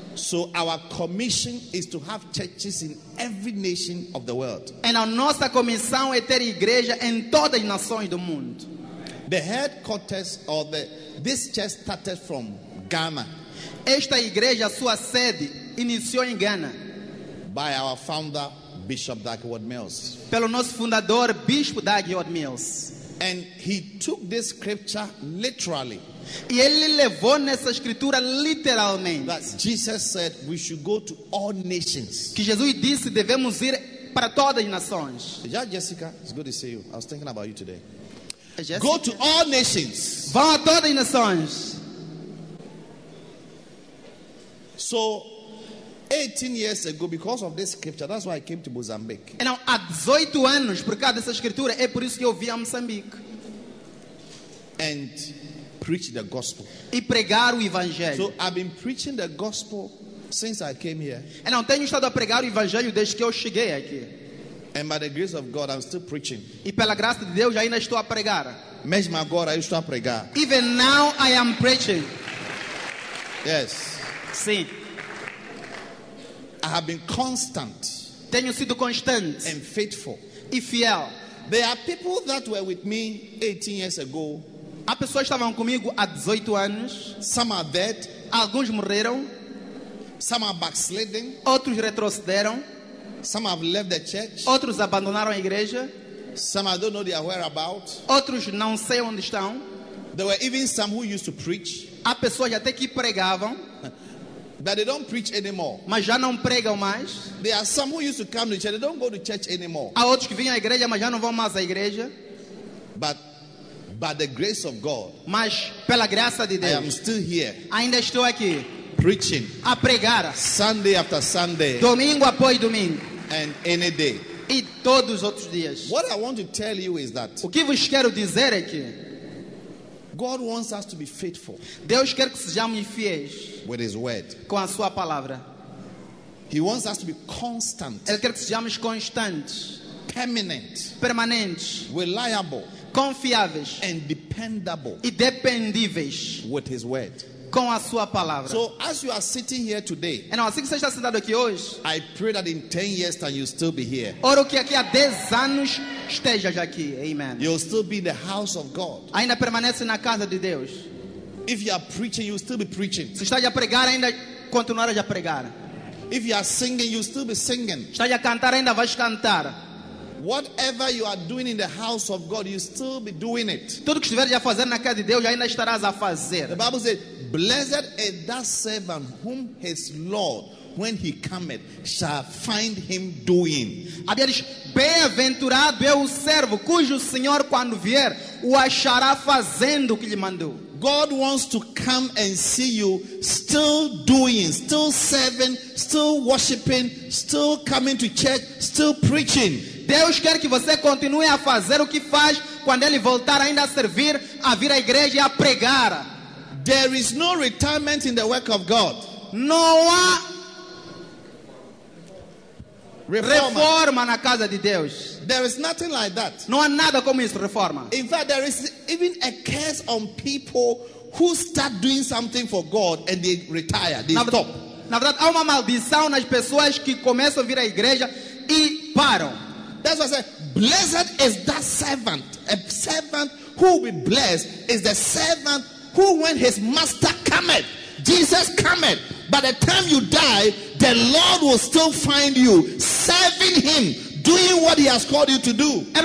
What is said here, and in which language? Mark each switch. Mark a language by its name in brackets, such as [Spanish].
[English] So our commission is to have churches in every nation of the world. [Portuguese] E a nossa comissão é ter igreja em todas as nações do mundo. [English] The headquarters of this church started from Ghana. [Portuguese] Esta igreja, sua sede, iniciou em Ghana. [English] By our founder, Bishop Dagwood Mills. [Portuguese] Pelo nosso fundador, Bispo Dagwood Mills. [English] And he took this scripture literally. [Portuguese] E ele levou nessa escritura literalmente. [English] That Jesus said we should go to all nations. [Portuguese] Que Jesus disse devemos ir para todas as nações. [English] Yeah, Jessica, it's good to see you. I was thinking about you today. Jessica. Go to all nations. [Portuguese] Vá a todas as nações. [English] So 18 years ago, because of this scripture, that's why I came to Mozambique. [Portuguese] E não, há 18 anos, por causa dessa escritura, é por isso que eu vim a Moçambique. [English] And preach the gospel. [Portuguese] E pregar o evangelho. [English] So I've been preaching the gospel since I came here. [Portuguese] E não, tenho estado a pregar o evangelho desde que eu cheguei aqui. [English] And by the grace of God, I'm still preaching. [Portuguese] E pela graça de Deus, ainda estou a pregar. Mesmo agora, eu estou a pregar. [English] Even now, I am preaching. Yes. [Portuguese] Sim. [English] I have been constant. [Portuguese] Tenho sido constante. [English] And faithful. [Portuguese] E fiel. [English] There are people that were with me 18 years ago. [Portuguese] Há pessoas que estavam comigo há 18 anos. [English] Some are dead. [Portuguese] Alguns morreram. [English] Some are backslidden. [Portuguese] Outros retrocederam. [English] Some have left the church. [Portuguese] Outros abandonaram a igreja. [English] Some I don't know their whereabouts. [Portuguese] Outros não sei onde estão. [English] There were even some who used to preach. [Portuguese] Há pessoas até que pregavam. [English] But they don't preach anymore. [Portuguese] Mas já não pregam mais. [English] There are some who used to come to church. They don't go to church anymore. [Portuguese] Há outros que vinham à igreja, mas já não vão mais à igreja. [English] But by the grace of God. [Portuguese] Mas pela graça de Deus. [English] I am still here. [Portuguese] Ainda estou aqui. [English] Preaching. [Portuguese] A pregar. [English] Sunday after Sunday. [Portuguese] Domingo após domingo. [English] And any day. [Portuguese] E todos os outros dias. [English] What I want to tell you is that. [Portuguese] O que vos quero dizer é que. [English] God wants us to be faithful. [Portuguese] Deus quer que sejamos fiéis. [English] With his word. [Portuguese] Com a sua palavra. [English] He wants us to be constant. [Portuguese] Ele quer que sejamos constantes. [English] Permanent. [Portuguese] Permanentes. [English] Reliable. [Portuguese] Confiáveis. [English] And dependable. [Portuguese] E dependíveis. [English] With his word. [Portuguese] Com a sua palavra. [English] So as you are sitting here today. [Portuguese] E não, assim que você está sentado aqui hoje. [English] I pray that in 10 years time you still be here. [Portuguese] Oro que aqui há 10 anos esteja já aqui. [English] Amen. You'll still be in the house of God. [Portuguese] Ainda permanece na casa de Deus. [English] If you are preaching, you'll still be preaching. [Portuguese] Se está a pregar, ainda continuará a pregar. [English] If you are singing, you'll still be singing. [Portuguese] Se está a cantar, ainda vais cantar. [English] Whatever you are doing in the house of God, you still be doing it. [Portuguese] Tudo que estiver a fazer na casa de Deus, ainda estarás a fazer. [English] The Bible says, "Blessed is that servant whom his Lord, when he cometh, shall find him doing." [Portuguese] A Bíblia diz, "Bem-aventurado é o servo cujo Senhor, quando vier, o achará fazendo o que lhe mandou." [English] God wants to come and see you still doing, still serving, still worshiping, still coming to church, still preaching. [Portuguese] Deus quer que você continue a fazer o que faz quando ele voltar ainda a servir, a vir à igreja e a pregar. [English] There is no retirement in the work of God. [Portuguese] Não há reforma na casa de Deus. [English] There is nothing like that. [Portuguese] Não há nada como isso, reforma. [English] In fact, there is even a curse on people who start doing something for God and they retire, they stop. [Portuguese] Na verdade, há uma maldição nas pessoas que começam a vir à igreja e param. [English] That's why I said, blessed is that servant. A servant who will be blessed is the servant who, when his master cometh, Jesus cometh, by the time you die, the Lord will still find you serving him, doing what he has called you to do.